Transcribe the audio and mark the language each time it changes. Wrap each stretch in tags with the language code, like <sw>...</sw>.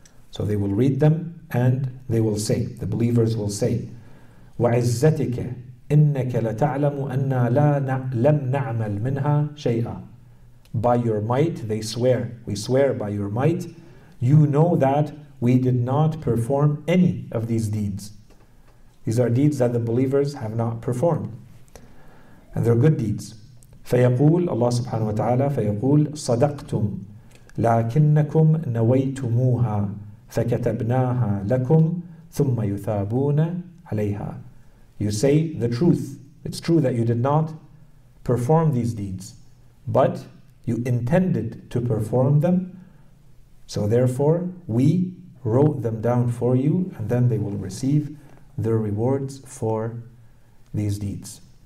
<en>So they will read them and they will say, the believers will say,</en> <ar>وعزتك إنك لتعلم أن لا لم نعمل منها شيئا.</ar> <en>By your might, they swear. We swear by your might. You know that we did not perform any of these deeds. These are deeds that the believers have not performed. And they're good deeds.</en> <ar>فيقول الله سبحانه وتعالى فيقول صدقتم لكنكم نويتموها فكتبناها لكم ثم يثابون عليها.</ar> <en>You say the truth. It's true that you did not perform these deeds, but you intended to perform them. So therefore, we wrote them down for you, and then they will receive their rewards for these deeds.</en>